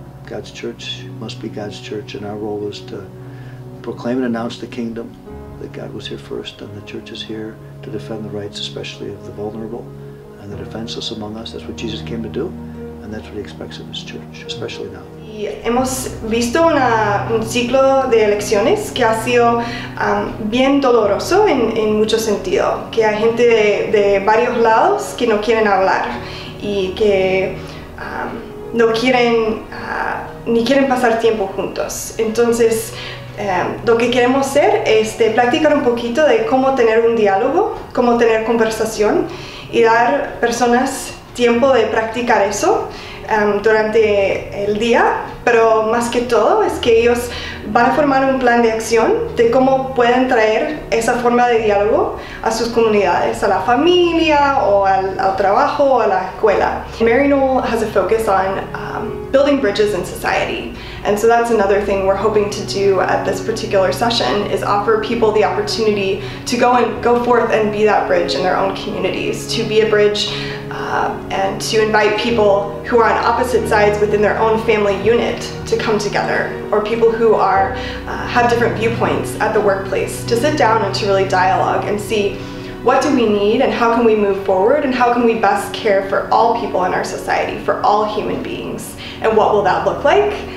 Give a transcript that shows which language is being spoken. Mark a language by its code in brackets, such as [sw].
[en] God's church must be God's church, and our role is to proclaim and announce the kingdom, that God was here first, and the church is here to defend the rights, especially of the vulnerable and the defenseless among us. That's what Jesus came to do, and that's what he expects of his church, especially now. [es] Hemos visto un ciclo de elecciones que ha sido bien doloroso en mucho sentido, que hay gente de varios lados que no quieren hablar y que no quieren ni quieren pasar tiempo juntos. Entonces, lo que queremos hacer es practicar un poquito de cómo tener un diálogo, cómo tener conversación y dar personas tiempo de practicar eso durante el día, pero más que todo es que ellos van a formar un plan de acción de cómo pueden traer esa forma de diálogo a sus comunidades, a la familia, o al trabajo, o a la escuela. [en] Mary Knoll has a focus on building bridges in society. And so that's another thing we're hoping to do at this particular session is offer people the opportunity to go forth and be that bridge in their own communities, to be a bridge and to invite people who are on opposite sides within their own family unit to come together, or people who are have different viewpoints at the workplace to sit down and to really dialogue and see what do we need and how can we move forward and how can we best care for all people in our society, for all human beings, and what will that look like?